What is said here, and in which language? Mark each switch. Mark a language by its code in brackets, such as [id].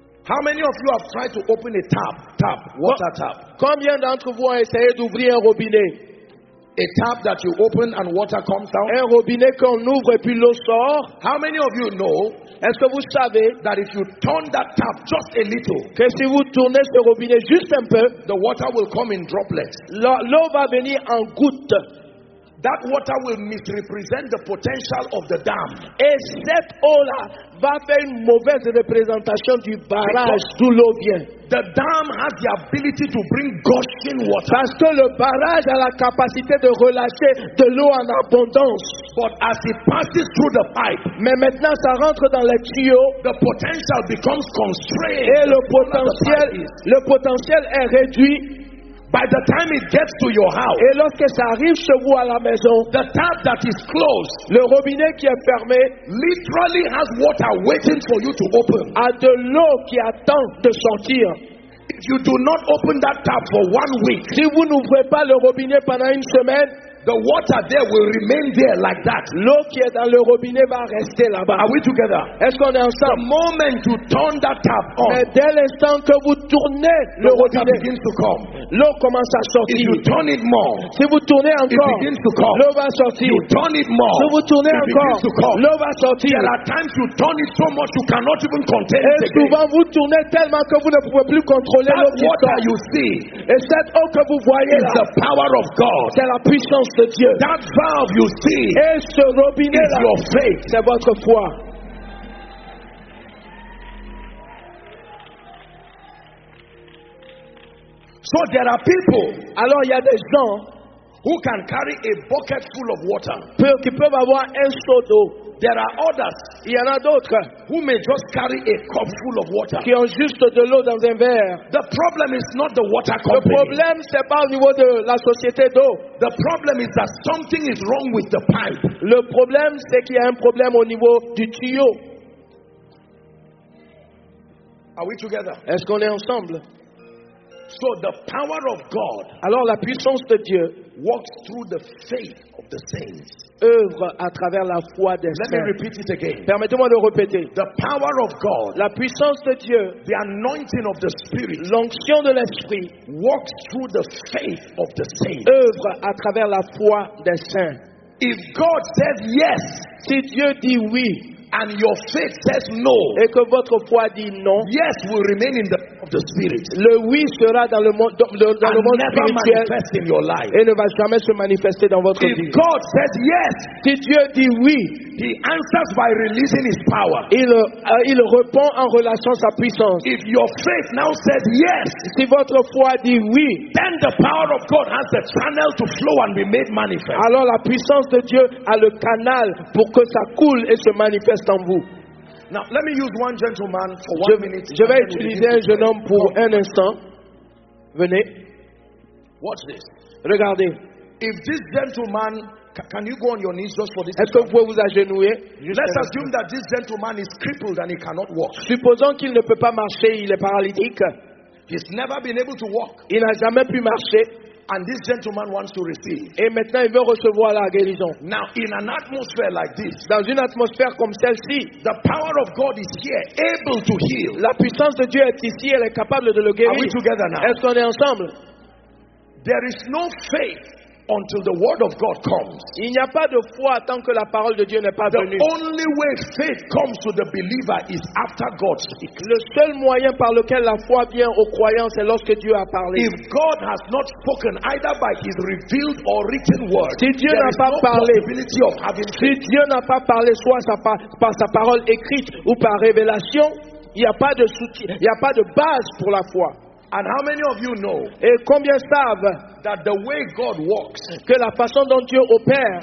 [en] How many of you have tried to open a tap, water tap? [fr] Combien d'entre vous ont essayé d'ouvrir un robinet? [en] A tap that you open and water comes out. [fr] Un robinet qu'on ouvre et puis l'eau sort. [en] How many of you know? [fr] Est-ce que vous savez [en] that if you turn that tap just a little, [fr] que si vous tournez ce robinet juste un peu, [en] the water will come in droplets. [fr] L'eau va venir en gouttes. [en] That water will misrepresent the potential of the dam. [fr] Et cette eau-là va faire une mauvaise représentation du barrage d'où l'eau vient. [en] The dam has the ability to bring gushing water. [fr] Parce que le barrage a la capacité de relâcher de l'eau en abondance. [en] But as it passes through the pipe, [fr] mais maintenant ça rentre dans les tuyaux, [en] the potential becomes constrained. [fr] Et le potentiel est réduit. [en] By the time it gets to your house, [fr] et lorsque ça arrive chez vous à la maison, [en] the tap that is closed, [fr] le robinet qui est fermé, [en] literally has water waiting for you to open. [fr] A de l'eau qui attend de sortir. [en] If you do not open that tap for 1 week, [fr] si vous n'ouvrez pas le robinet pendant une semaine, [en] the water there will remain there like that. [fr] L'eau qui est dans le robinet va rester là-bas. [en] Are we together? [fr] Est-ce qu'on est ensemble? [en] The moment you turn that tap on, [fr] mais dès l'instant que vous tournez le robinet, [en] water begins to come. [fr] L'eau commence à sortir. [en] If you turn it more, [fr] si vous tournez encore, [en] it begins to come. [fr] L'eau va sortir. [en] You turn it more, [fr] si vous tournez [en] it [fr] encore, [en] begins to come. [fr] L'eau va sortir. [en] There are times you turn it so much you cannot even contain it. [fr] Et souvent vous tournez tellement que vous ne pouvez plus contrôler [en] that [fr] l'eau qui sort. [en] That water you see, [fr] et cette eau que vous voyez [en] is the power of God. [fr] C'est la puissance. [en] That valve you see, [fr] et ce robinet [en] is your faith. [fr] C'est votre foi. [en] So there are people. [fr] Alors il y a des gens [en] who can carry a bucket full of water. [fr] Qui peuvent avoir un seau d'eau. [en] There are others. [fr] Il y en a d'autres [en] who may just carry a cup full of water. [fr] Qui ont juste de l'eau dans un verre. [en] The problem is not the water company. [fr] Le problème c'est pas au niveau de la société d'eau. [en] The problem is that something is wrong with the pipe. [fr] Le problème c'est qu'il y a un problème au niveau du tuyau. [en] Are we together? [fr] Est-ce qu'on est ensemble? [en] So the power of God. [fr] Alors la puissance de Dieu [en] walks through the faith of the saints. [fr] Œuvre à travers la foi des [en] saints. Let me repeat it again. [fr] Permettez-moi de répéter. [en] The power of God, [fr] la puissance de Dieu, [en] the anointing of the Spirit, [fr] l'onction de l'Esprit, [en] walks through the faith of the saints. [fr] Œuvre à travers la foi des saints. [en] If God says yes, [fr] si Dieu dit oui, [en] and your faith says no, [fr] et que votre foi dit non, [en] yes will remain in the of the Spirit. [fr] Le oui sera dans le monde dans le monde [en] spirituel, never manifest in your life. [fr] Et ne va jamais se manifester dans votre [en] if [fr] vie. [en] If God says yes, [fr] si Dieu dit oui, [en] He answers by releasing His power. [fr] Il répond en relâchant sa puissance. [en] If your faith now says yes, [fr] si votre foi dit oui, [en] then the power of God has the channel to flow and be made manifest. [fr] Alors la puissance de Dieu a le canal pour que ça coule et se manifeste. [en] Now, let me use one gentleman for one minute. [fr] Je vais utiliser un jeune homme pour un instant. Venez. [en] Watch this. [fr] Regardez. [en] If this gentleman, can you go on your knees just for this? [fr] Est-ce que vous pouvez vous agenouiller? [en] Let's assume that this gentleman is crippled and he cannot walk. [fr] Supposons qu'il ne peut pas marcher, il est paralytique. [en] He's never been able to walk. [fr] Il n'a jamais pu marcher. [en] And this gentleman wants to receive. [fr] Et maintenant il veut recevoir la guérison. [en] Now in an atmosphere like this, [fr] dans une atmosphère comme celle-ci, [en] the power of God is here, able to heal. [fr] La puissance de Dieu est ici, elle est capable de le guérir. [en] Are we together now? [fr] Est-ce qu'on est ensemble? [en] There is no faith until the word of God comes. [fr] Il n'y a pas de foi tant que la parole de Dieu n'est pas [en] the [fr] venue. [en] The only way faith comes to the believer is after God speaks. [fr] Le seul moyen par lequel la foi vient au croyant, c'est lorsque Dieu a parlé. [en] If God has not spoken either by His revealed or written word, [fr] si Dieu [en] there [fr] n'a [en] is [fr] pas [en] no [fr] parlé, [en] possibility of having faith. [fr] Si Dieu n'a pas parlé, soit par sa parole écrite ou par révélation, il n'y a pas de soutien, il n'y a pas de base pour la foi. [en] And how many of you know? [fr] Et combien savent? [en] That the way God works, [fr] que la façon dont Dieu opère,